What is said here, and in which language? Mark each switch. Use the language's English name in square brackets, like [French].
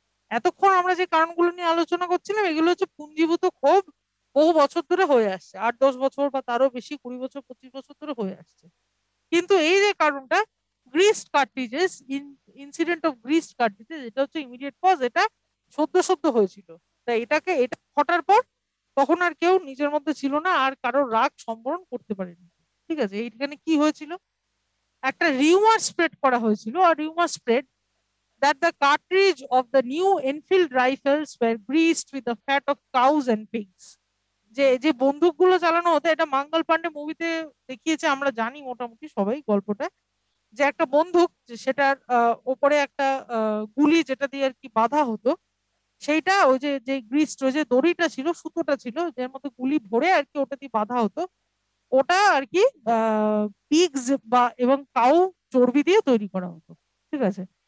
[Bangla] এতক্ষণ আমরা যে কারণগুলো নিয়ে আলোচনা করছিলাম, এগুলো হচ্ছে পুঞ্জীভূত ক্ষোভ, বহু বছর ধরে হয়ে আসছে, 8-10 বছর বা তারও বেশি, 20-25 বছর ধরে হয়ে আসছে। কিন্তু এই যে কারণটা গ্রিস কার্টিজেস, [English] incident of grease cartridges, [Bangla] এটা হচ্ছে ইমিডিয়েট কজ, এটা সদ্য সদ্য হয়েছিল। তাই এটাকে, এটা ঘটার পর তখন আর কেউ নিজের মধ্যে ছিল না, আর কারোর রাগ সম্বরণ করতে পারেনি, ঠিক আছে? এইখানে কি হয়েছিল, একটা রিউমার স্প্রেড [English] করা হয়েছিল, আর rumour spread that the cartridge of the new Enfield rifles were greased with the fat of cows and pigs. [Bangla] যে যে বন্দুকগুলো চালানো হতো, এটা মঙ্গল পাণ্ডে মুভিতে দেখিয়েছে, আমরা জানি মোটামুটি সবাই গল্পটা, যে একটা বন্দুক সেটার উপরে একটা গুলি যেটা দিয়ে আর কি বাধা হতো, সেইটা ওই যে যে গ্রিস্ট, ওই যে দড়িটা ছিল, সুতোটা ছিল, যার মধ্যে গুলি ভরে আর কি ওটা দিয়ে বাধা হতো, ওটা আর কি পিগস বা এবং কাউ চর্বি দিয়ে তৈরি করা হতো, ঠিক আছে?